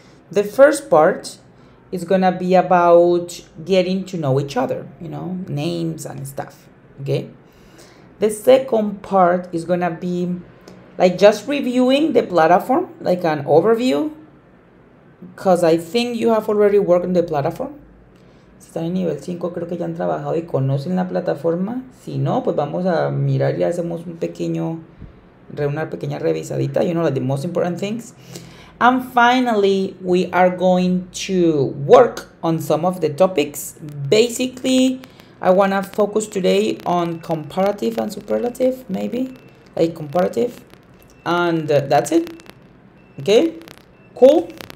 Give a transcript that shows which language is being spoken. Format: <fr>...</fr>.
<en>The first part is going to be about getting to know each other, you know, names and stuff, okay? The second part is going to be like just reviewing the platform, like an overview, because I think you have already worked on the platform.</en> <es>Si están en nivel 5, creo que ya han trabajado y conocen la plataforma. Si no, pues vamos a mirar y hacemos un pequeño, una pequeña revisadita.</es> <en>You know, like the most important things. And finally, we are going to work on some of the topics. Basically, I want to focus today on comparative and superlative, maybe. Like comparative. And that's it. Okay? Cool?</en>